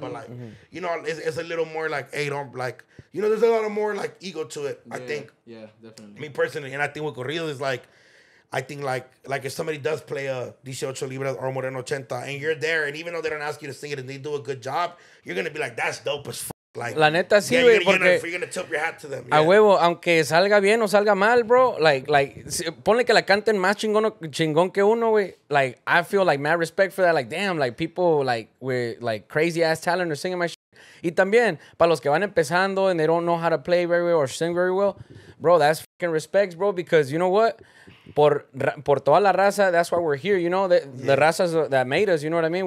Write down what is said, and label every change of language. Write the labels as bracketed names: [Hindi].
[English] But like, you know, it's a little more like, hey, don't, like, you know, there's a lot of more like ego to it. Yeah, I think, yeah, definitely, me personally. And I think with Corrido is like, I think like if somebody does play a 18 Libras or Moreno 80 and you're there, and even though they don't ask you to sing it and they do a good job, you're gonna be like, that's dope as fuck. Like, [Spanish] la neta, sí, güey, porque [English] you're gonna tip your hat to them. [Spanish] A huevo, aunque salga bien o salga mal, bro, like, ponle que la canten más chingón que uno, güey. [English] Like, I feel like mad respect for that. Like, damn, like, people, like, with, like, crazy ass talent are singing my shit. [Spanish] Y también, para los que van empezando [English] and they don't know how to play very well or sing very well, bro, that's fucking respects, bro, because you know what? [Spanish] Por toda la raza, [English] that's why we're here, you know? The razas that made us, you know what I mean?